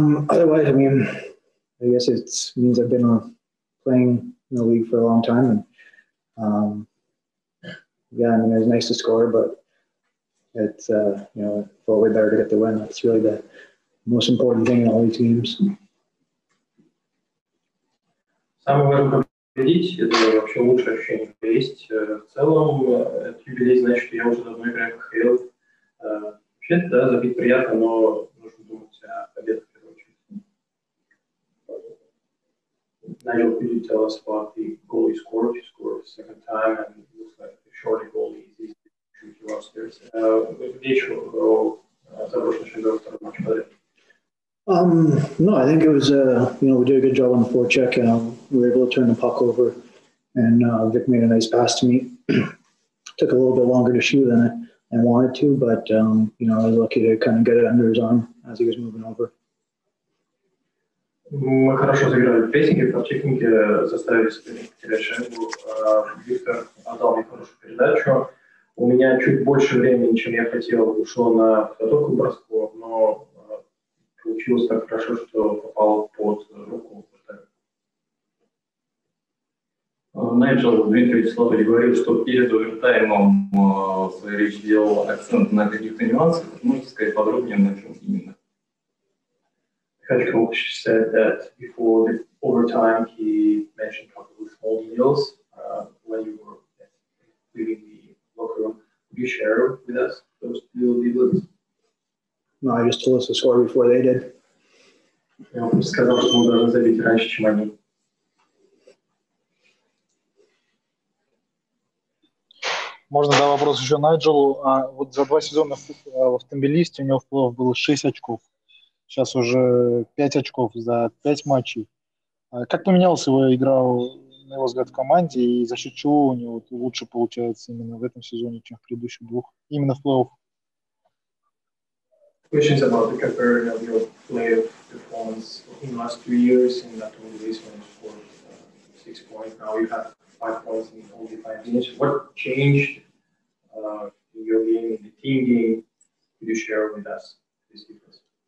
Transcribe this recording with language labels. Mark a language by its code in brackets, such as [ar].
[en] otherwise, I mean, I guess it means I've been playing in the league for a long time, and yeah, I mean, it was nice to score, but it's you know, it felt way better to get the win. That's really the most important thing in all these games. [ru] Самое важное победить, это вообще лучшее ощущение, что есть. В целом, этот юбилей значит, что я уже давно играю в КХЛ. Вообще, да, забить приятно, но нужно думать о победе. [en] Nigel, could you tell us about the goal you scored? You scored the second time, and it looks like the shorty goal is easy to shoot you upstairs. No, I think it was, you know, we did a good job on the forecheck, and we were able to turn the puck over, and Vic made a nice pass to me. Took a little bit longer to shoot than I wanted to, but, you know, I was lucky to kind of get it under his arm as he was moving over. [ru] Мы хорошо заиграли в прессинге, в партехнике, заставили соперника терять шайбу. Виктор отдал мне хорошую передачу. У меня чуть больше времени, чем я хотел, ушло на подготовку к броску, но получилось так хорошо, что попал под руку. Найджел Дмитриевич Славы говорил, что перед овертаймом в своей речи делал акцент на каких-то нюансах. Можете сказать подробнее, на чем именно? [en] Head coach said that before the overtime, he mentioned a couple of small details when you were leaving the locker room. Could you share with us those little details? No, I just told us the score before they did. [ru] Я вам сказал, что мы должны забить раньше, чем они. Можно задать вопрос еще Найджелу. А вот за два сезона в Автомобилисте у него в плей-офф было 6 очков. Сейчас уже 5 очков за 5 матчей. Как поменялась его игра, на его взгляд, в команде, и за счет чего у него лучше получается именно в этом сезоне, чем в предыдущих двух, именно в плей-офф? [en] Questions about the comparison of your play-off performance in the last 3 years, in that only this one scored 6 points. Now you have 5 points in only 5 games. What changed in your game, in the team game? Could you share with us this difference?